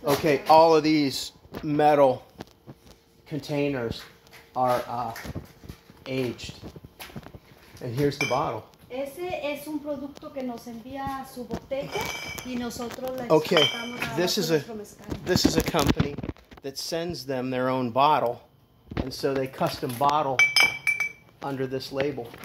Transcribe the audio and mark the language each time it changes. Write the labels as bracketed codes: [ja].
[en] Okay, all of these metal containers are aged. And here's the bottle. [es] Ese es un producto que nos envía su botella y nosotros la [en] okay, this is a company that sends them their own bottle, and so they custom bottle under this label.